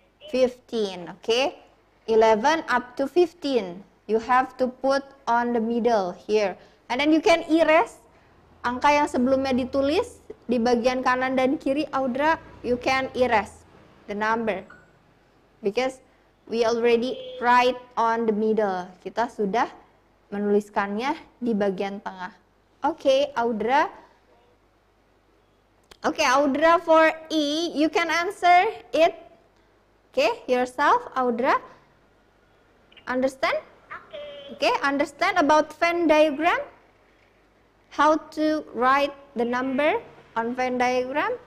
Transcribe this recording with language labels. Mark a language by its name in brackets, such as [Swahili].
[English] 15, okay, 11 up to 15, you have to put on the middle here, and then you can erase [Indonesian] angka yang sebelumnya ditulis di bagian kanan dan kiri. [English] Audra, you can erase the number because we already write on the middle. [Indonesian] Kita sudah menuliskannya di bagian tengah. [English] Okay, Audra. Okay, Audra, for E, you can answer it. Okay, yourself, Audra. Understand? Okay. Okay, understand about Venn diagram? How to write the number on Venn diagram?